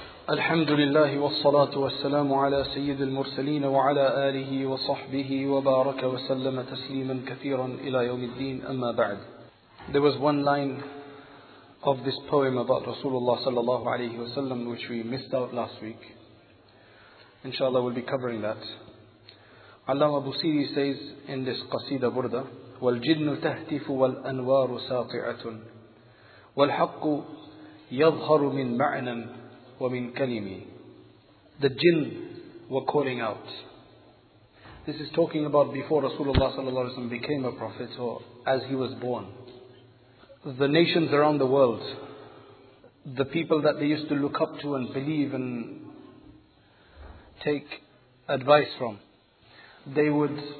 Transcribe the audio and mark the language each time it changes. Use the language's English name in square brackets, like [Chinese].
[Arabic] الحمد لله والصلاة والسلام على سيد المرسلين وعلى آله وصحبه وبارك وسلم تسليما كثيرا إلى يوم الدين. أما بعد, [English] there was one line of this poem about Rasulullah sallallahu alayhi wa sallam which we missed out last week. Inshallah we'll be covering that. Allama Busiri says in this Qasida Burda, [Arabic] وَالْجِنُّ تَهْتِفُ وَالْأَنْوَارُ سَاطِعَةٌ وَالْحَقُّ يَظْهَرُ مِنْ مَعْنًا وَمِنْ كَلِمِي. [English] The jinn were calling out. This is talking about before Rasulullah sallallahu alayhi wa sallam became a prophet, or as he was born. The nations around the world, the people that they used to look up to and believe and take advice from, they would,